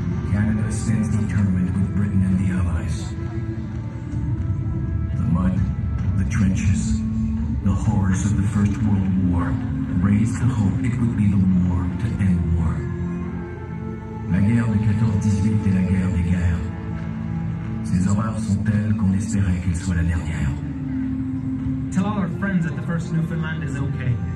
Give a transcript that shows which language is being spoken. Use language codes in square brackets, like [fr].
[en] Canada stands determined with Britain and the Allies. The mud, the trenches, the horrors of the First World War raised the hope it would be the war to end war. [fr] La guerre de 14-18 est la guerre des guerres. Ces horreurs sont telles qu'on espérait qu'elles soient la dernière. [en] Tell all our friends that the First Newfoundland is okay.